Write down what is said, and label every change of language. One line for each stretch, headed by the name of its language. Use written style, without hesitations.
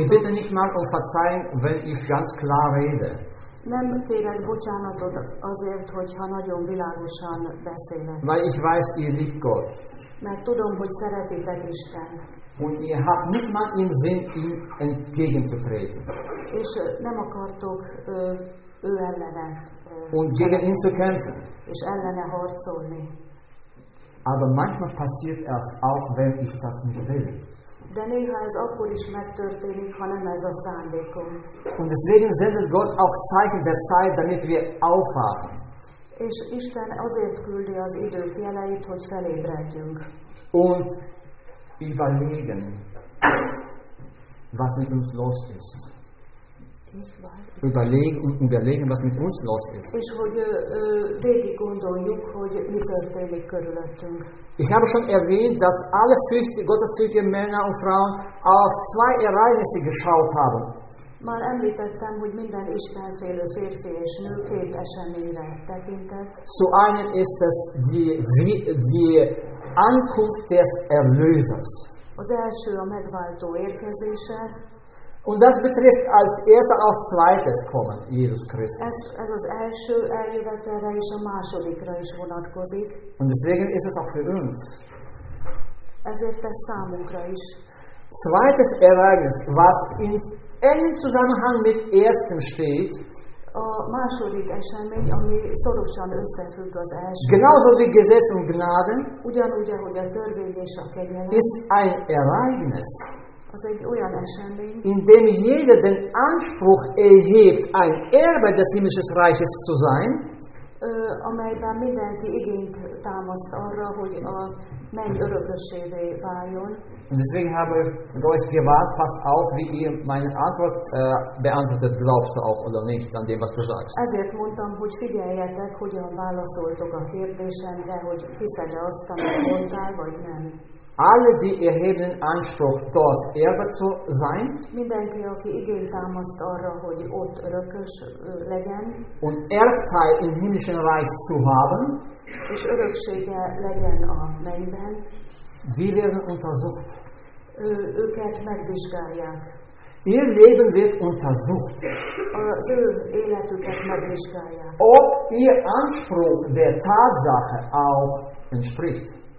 German: Ich bitte nicht mal um Verzeihung, wenn ich ganz klar rede.
Hungarian: Nem kérek bocsánatot azért, hogyha nagyon világosan beszélek.
German: Weil ich weiß, ihr liebt Gott.
Hungarian: Mert tudom, hogy szeretitek Istent.
German: Und ihr habt nicht mal im Sinn, ihm entgegenzutreten.
Hungarian: És nem akartok ő ellene.
German: Und gegen ihn zu kämpfen.
Hungarian: És ellene harcolni.
German: Aber manchmal passiert es auch, wenn ich das nicht will.
Hungarian: De néha ez akkor is megtörténik, ha nem ez a szándékom.
German: Und deswegen sendet Gott auch Zeichen der Zeit, damit wir aufwachen.
Hungarian: És Isten azért küldi az idők jeleit, hogy felébredjünk.
German: Und überlegen, was mit uns los ist. Überlegen, was mit uns los ist.
Hungarian: És hogy végig gondoljuk, hogy mi történik körülöttünk.
German: Ich habe schon erwähnt, dass alle gottesfürchtige Männer und Frauen aus zwei Ereignissen geschaut haben.
Hungarian: Már említettem, hogy minden istenfélő férfi és nő két eseményre tekintett.
German: Zu einem ist es die Ankunft des Erlösers.
Hungarian: Az első a megváltó érkezése.
German: Und das betrifft als erstes auch zweites Kommen, Jesus Christus.
Hungarian: Ez az első eljövetelre és a másodikra is vonatkozik.
German: Und deswegen ist es auch für uns.
Hungarian: Ezért ez számunkra is.
German: Zweites Ereignis, was in engem Zusammenhang mit erstem steht.
Hungarian: A második esemény, ami szorosan összefügg az első.
German: Genauso wie Gesetz und Gnade.
Hungarian: Ugyanúgy, ahogy a törvény és a kegyelem.
German: Ist ein Ereignis.
Hungarian: Az egy olyan esemény,
German: in dem jeder den Anspruch erhebt, ein Erbe des himmlischen Reiches zu sein,
Hungarian: amelyben mindenki igényt támaszt arra, hogy a menny örökösévé váljon.
German: Und deswegen habe ich euch gewahrt, passt auf, wie ihr meine Antwort beantwortet, glaubst du auch oder nicht, an dem, was du sagst.
Hungarian: Ezért mondtam, hogy figyeljetek, hogyan válaszoltok a kérdésemre, hogy hiszed-e azt, amit mondtál, vagy nem.
German: Alle, die erheben Anspruch, dort Erbe zu sein.
Hungarian: Mindenki, aki igényt támaszt arra, hogy ott örökös legyen.
German: Und Erbteil im himmlischen Reich zu haben.
Hungarian: És öröksége legyen a mennyben.
German: Sie werden untersucht.
Hungarian: Őket megvizsgálják.
German: Ihr Leben wird untersucht.
Hungarian: Az ő életüket megvizsgálják.
German: Ob ihr Anspruch der Tatsache auch entspricht.